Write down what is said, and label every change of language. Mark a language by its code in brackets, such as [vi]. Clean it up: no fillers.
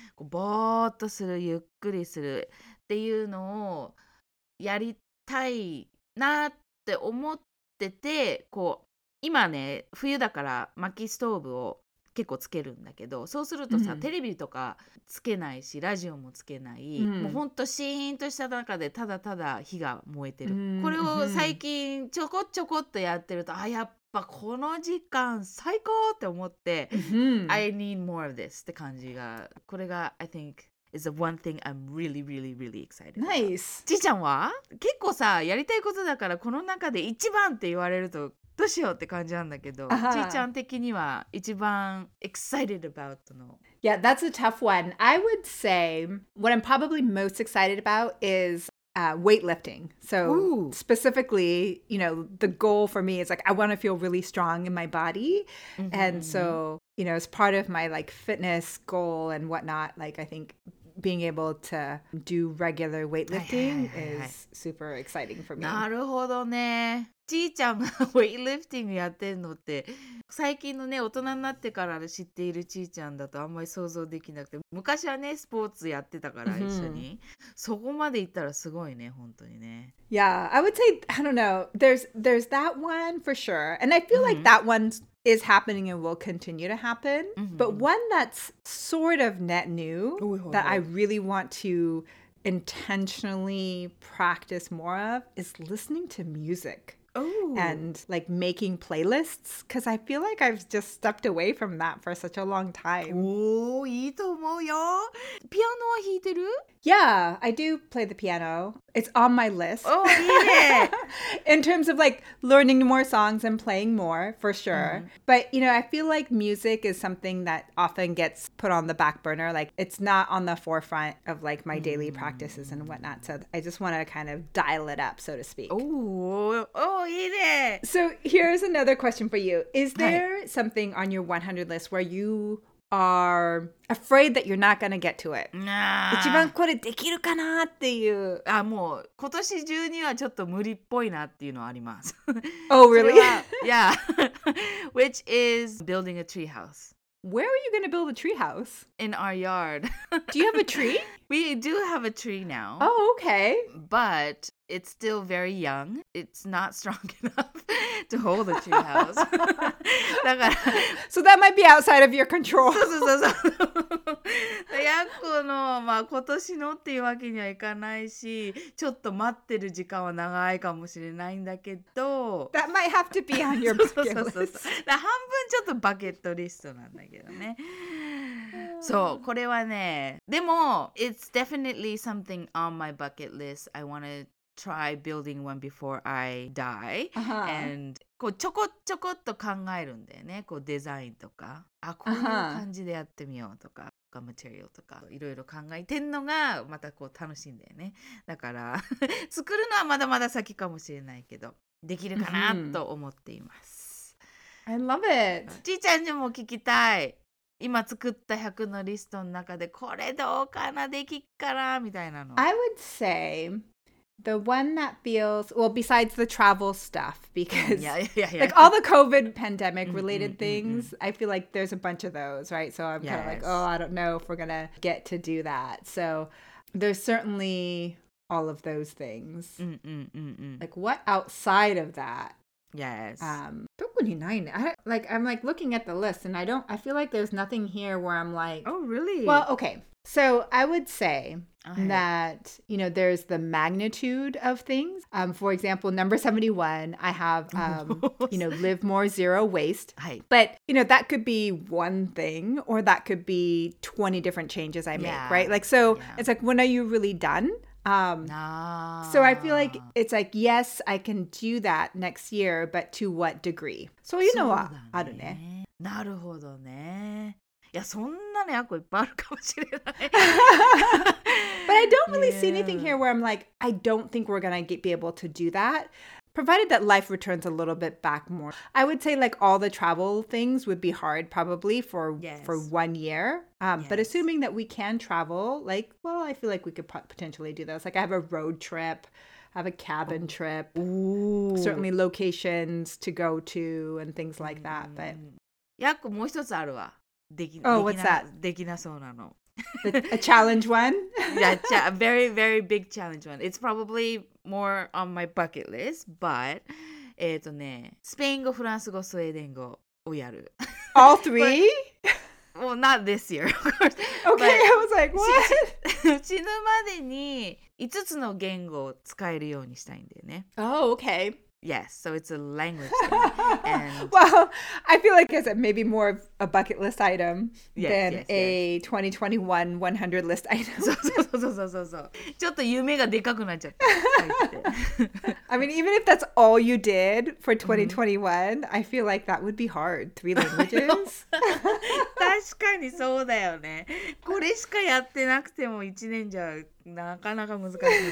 [ja] こうぼーっとする、ゆっくりするっていうのをやりたいなって思ってて、こう今ね冬だから薪ストーブを結構つけるんだけど、そうするとさ、mm-hmm. テレビとかつけないし、ラジオもつけない、 mm-hmm. もうほんとシーンとした中でただただ火が燃えてる、 mm-hmm. これを最近ちょこちょこっとやってると、あ、やっぱやっぱこの時間最高って思って、 mm-hmm. [en] I need more of this [ja] って感じが、これが [en] I think is the one thing I'm really really really excited about. Nice! [ja] じいちゃんは結構さ、やりたいことだからこの中で一番って言われるとどうしようって感じなんだけど、 uh-huh. じいちゃん的には一番 [en] excited about [ja] の。 [en] Yeah, that's a tough one. I would say what I'm probably most excited about isis weightlifting. So specifically, you know, the goal for me is like, I want to feel really strong in my body. Mm-hmm. And so, you know, as part of my like fitness goal and whatnot, like I think being able to do regular weightlifting is super exciting for me. [ja] なるほどね。ちいちゃんがウェイリフティングやってんのって、最近のね、大人になってから知っているちいちゃんだとあんまり想像できなくて、昔はね、スポーツやってたから一緒に、そこまで行ったらすごいね、本当にね。 [en] Yeah, I would say, I don't know, there's that one for sure. And I feel like that one is happening and will continue to happen. But one that's sort of net new that I really want to intentionally practice more of is listening to music. Ooh. And like making playlists, because I feel like I've just stepped away from that for such a long time. [ja] Oh, いいと思うよ。ピアノは弾いてる? [en] Yeah, I do play the piano. It's on my list. [ja] Oh, いいね。 [en] In terms of like learning more songs and playing more, for sure. Mm. But you know, I feel like music is something that often gets put on the back burner. Like it's not on the forefront of like my daily practices and whatnot. So I just want to kind of dial it up, so to speak. [ja] Oh, いいね。 [en] So here's another question for you. Is there something on your 100 list where you are afraid that you're not going to get to it? [ja] 一番これできるかなっていう。あ、もう今年中にはちょっと無理っぽいなっていうのはあります。 [en] Oh, really? Yeah. Which is building a tree house. Where are you going to build a tree house? In our yard. Do you have a tree? We do have a tree now. Oh, okay. But it's still very young. It's not strong enough to hold a tree house. [ja] だから、 [en] So that might be outside of your control. [ja] そうそうそうそう。ヤッコの、まあ、今年のっていうわけにはいかないし、ちょっと待ってる時間は長いかもしれないんだけど。 [en] That might have to be on your bucket list. [ja] そうそうそう。だ半分ちょっとバケットリストなんだけどね。そう、これはね、でも、 [en] it's definitely something on my bucket list. I want to try building one before I die. Uh-huh. [ja] And こうちょこちょこっと考えるんだよね。こうデザインとか、あ、こういう感じでやってみようとか、uh-huh. マテリアルとか、いろいろ考えてんのがまたこう楽しいんだよね。だから、作るのはまだまだ先かもしれないけど、できるかなと思っています。 [en] Mm-hmm. I love it! [ja] ちーちゃんにも聞きたい。今作った100のリストの中でこれどうかな、できっからみたいなの。 [en] I would say the one that feels, well, besides the travel stuff, because yeah. like all the COVID pandemic related things, I feel like there's a bunch of those, right? So I'm kind of like, oh, I don't know if we're going to get to do that. So there's certainly all of those things. Like what outside of that? Yes. [ja] 特にないね。 [en] Like, I'm like looking at the list and I feel like there's nothing here where I'm like, oh, really? Well, okay. So I would say that, you know, there's the magnitude of things. For example, number 71, I have, you know, live more zero waste. But, you know, that could be one thing or that could be 20 different changes I make, right? Like, so it's like, when are you really done? So I feel like it's like, yes, I can do that next year, but to what degree? So, you know, I don't know. [ja] なるほどね。いや、そんなの役いっぱいあるかもしれない。 [en] But I don't really see anything here where I'm like, I don't think we're going to be able to do that. Provided that life returns a little bit back more. I would say like all the travel things would be hard probably for 1 year. But assuming that we can travel, like, well, I feel like we could potentially do this. Like I have a road trip, I have a cabin trip. Ooh. Certainly locations to go to and things like that. But [ja] ヤコもう一つあるわ。 [en] What's that? [ja] できなそうなの。 [en] A challenge one? Yeah, a very, very big challenge one. It's probably more on my bucket list, but [ja] Spain 語、フランス語、スウェーデン語をやる。 [en] All three? But, well, not this year, of course. Okay, but I was like, what? [ja] 死ぬまでに5つの言語を使えるようにしたいんだよね。 [en] Oh, okay. Yes, so it's a language thing. Well, I feel like it's maybe more of a bucket list item than a 2021 100 list item. [ja] そうそうそうそうそう。ちょっと夢がでかくなっちゃった。 [en] I mean, even if that's all you did for 2021, I feel like that would be hard. Three languages? [ja] 確かにそうだよね。これしかやってなくても一年じゃなかなか難しいね。